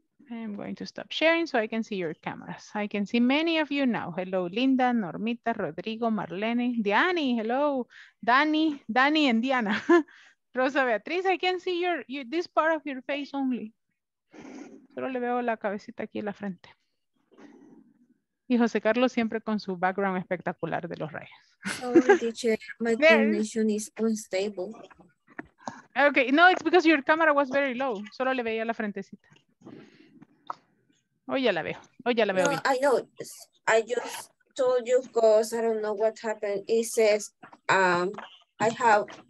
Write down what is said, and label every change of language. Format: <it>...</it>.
<en>I'm going to stop sharing so I can see your cameras. I can see many of you now. Hello, Linda, Normita, Rodrigo, Marlene, Diani, hello, Dani and Diana. Rosa Beatriz, I can see this part of your face only.</en> <es>Solo le veo la cabecita aquí en la frente. Y José Carlos siempre con su background espectacular de los rayos.</es> <en>Sorry, teacher, my connection is unstable. Okay, no, it's because your camera was very low.</en> <es>Solo le veía la frentecita. Hoy ya la veo. No, bien.</es> <en>I know. I just told you because I don't know what happened. It says I have</en>